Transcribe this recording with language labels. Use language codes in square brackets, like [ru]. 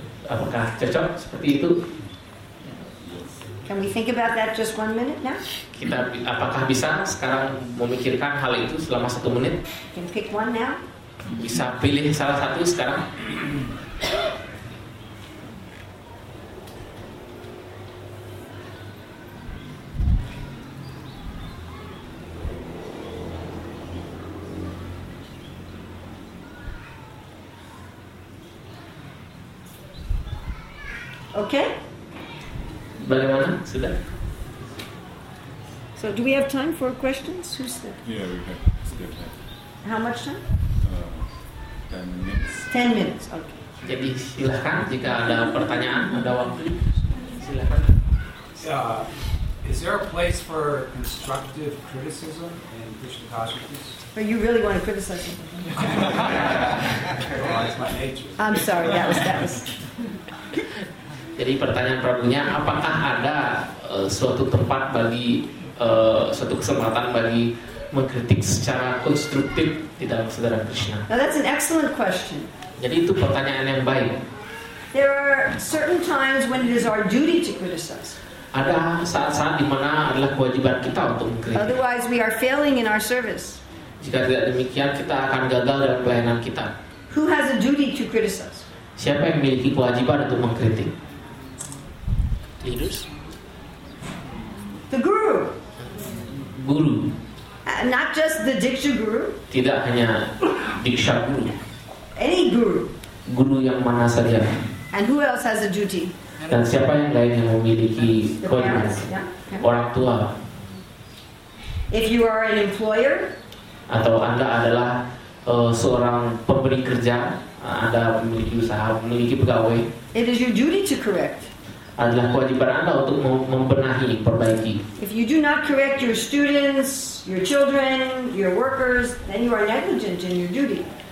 [id] Apakah cocok seperti itu? [en] Can we think about that just one minute now? [id] Kita apakah bisa sekarang memikirkan hal itu selama satu menit? [en] Can pick one now? [id] Bisa pilih salah satu sekarang? [en] Okay? [id] Bagaimana? Sudah? [en] So, do we have time for questions? Who's there? Yeah, we have time. How much time? 10 minutes. 10 minutes, okay. [id] Jadi silakan jika ada pertanyaan, ada waktu, silakan. [en] Is there a place for constructive criticism in Christian consciousness? But you really want to criticize me? Well, it's my nature. I'm sorry, that was. [id] Jadi pertanyaan Prabunya, apakah ada suatu tempat bagi suatu kesempatan bagi mengkritik secara konstruktif di dalam saudara Krishna? [en] Now that's an excellent question. [id] Jadi itu pertanyaan yang baik. [en] There are certain times when it is our duty to criticize. [id] Ada saat-saat di mana adalah kewajiban kita untuk mengkritik. [en] Otherwise we are failing in our service. [id] Jika tidak demikian, kita akan gagal dalam pelayanan kita. [en] Who has a duty to criticize? [id] Siapa yang memiliki kewajiban untuk mengkritik? [en] Leaders? The guru. [id] Guru. [en] Not just the diksha guru. [id] Tidak hanya diksha guru. [en] Any guru. [id] Guru yang mana saja. [en] And who else has a duty? [id] Dan siapa yang lain yang memiliki kewajiban? [en] Yeah. [id] Orang tua. [en] If you are an employer. [id] Atau Anda adalah seorang pemberi kerja, Anda memiliki usaha, memiliki pegawai. [en] It is your duty to correct. [id] Adalah kewajiban Anda untuk membenahi, perbaiki. [en] If you do not correct your students, your children, your workers, then you are negligent in your duty.